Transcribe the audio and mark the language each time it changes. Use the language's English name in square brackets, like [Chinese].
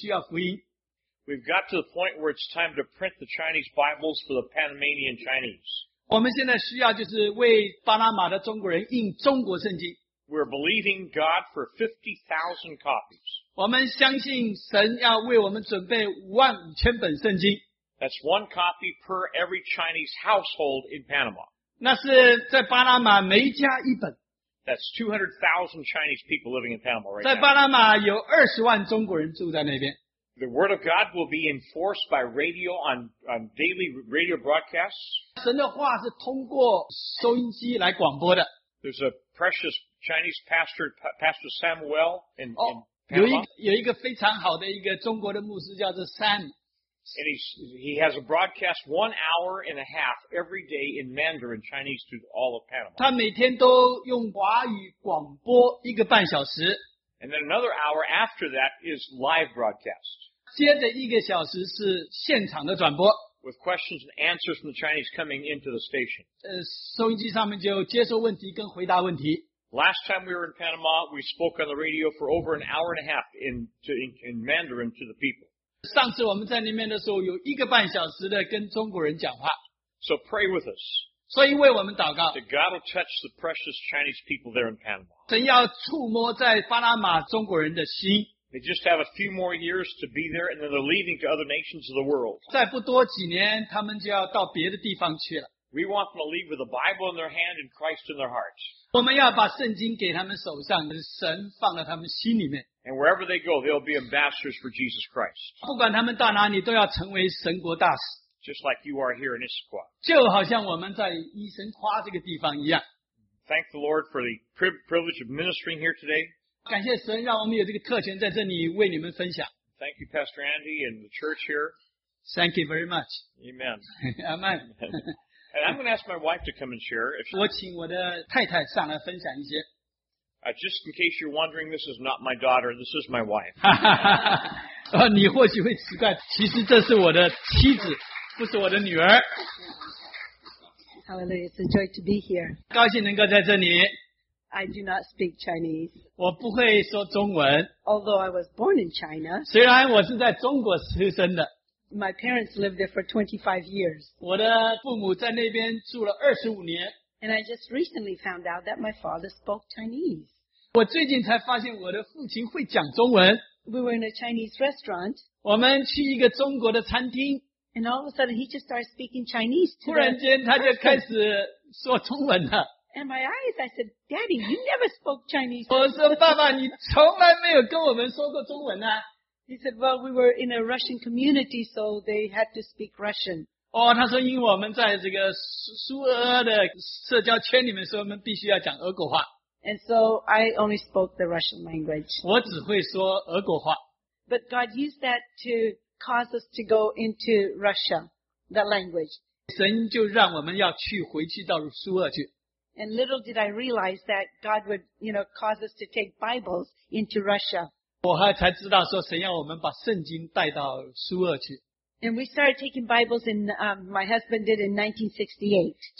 [English] We've got to the point where it's time to print the Chinese Bibles for the Panamanian Chinese. We're believing God for 50,000 copies. That's one copy per every Chinese household in Panama. [Chinese] 那是在巴拿马每一家一本。 [English] That's 200,000 Chinese people living in Panama right now. [Chinese] 在巴拿马有20万中国人住在那边。 [English] The word of God will be enforced by radio on daily radio broadcasts. [Chinese] 神的话是通过收音机来广播的。 [English] There's a precious Chinese pastor, Pastor Samuel in Panama. [Chinese] 有一个非常好的一个中国的牧师叫做Sam。 [English] And he has a broadcast 1 hour and a half every day in Mandarin Chinese to all of Panama. [Chinese] 他每天都用华语广播一个半小时。 [English] And then another hour after that is live broadcast. [Chinese] 接着一个小时是现场的转播。 [English] With questions and answers from the Chinese coming into the station. [Chinese] 收音机上面就接受问题跟回答问题。 [English] Last time we were in Panama, we spoke on the radio for over an hour and a half in Mandarin to the people. [Chinese] 上次我们在那边的时候有一个半小时的跟中国人讲话。 [English] So pray with us. [Chinese] 所以为我们祷告。 [English] That God will touch the precious Chinese people there in Panama. [Chinese] 神要触摸在巴拿马中国人的心。 [English] They just have a few more years to be there and then they're leaving to other nations of the world. [Chinese] 再不多几年他们就要到别的地方去了。 [English] We want them to leave with the Bible in their hand and Christ in their hearts. [Chinese] 我们要把圣经给他们手上，神放在他们心里面。 [English] And wherever they go, they'll be ambassadors for Jesus Christ. [Chinese] 不管他们到哪里，都要成为神国大使。 [English] Just like you are here in Issaquah. [Chinese] 就好像我们在伊神夸这个地方一样。 [English] Thank the Lord for the privilege of ministering here today. [Chinese] 感谢神让我们有这个特权在这里为你们分享。 [English] Thank you, Pastor Andy and the church here. Thank you very much. Amen. Amen. And I'm going to ask my wife to come and share. If she... [Chinese] 我请我的太太上来分享一些。 [English] Just in case you're wondering, this is not my daughter, this is my wife. [Chinese] 你或许会奇怪,其实这是我的妻子,不是我的女儿。 [English] Hallelujah, it's a joy to be here. [Chinese] 高兴能够在这里。 [English] I do not speak Chinese. [Chinese] 我不会说中文。 [English] Although I was born in China. [Chinese] 虽然我是在中国出生的。 [English] My parents lived there for 25 years. [Chinese] 我的父母在那边住了25年。 [English] And I just recently found out that my father spoke Chinese. [Chinese] 我最近才发现我的父亲会讲中文。 [English] We were in a Chinese restaurant. [Chinese] 我们去一个中国的餐厅。 [English] And all of a sudden he just started speaking Chinese to me. [Chinese] 突然间他就开始说中文了。 [English] And my eyes, I said, Daddy, you never spoke Chinese. [Chinese] 我说爸爸，你从来没有跟我们说过中文啊。 [English] He said, well, we were in a Russian community, so they had to speak Russian. [Chinese] 哦，他说因为我们在这个苏俄的社交圈里面，所以我们必须要讲俄国话。 [English] And so I only spoke the Russian language. [Chinese] 我只会说俄国话。 [English] But God used that to cause us to go into Russia, that language. [Chinese] 神就让我们要去回去到苏俄去。 [English] And little did I realize that God would, you know, cause us to take Bibles into Russia. And we started taking Bibles in, my husband did in 1968.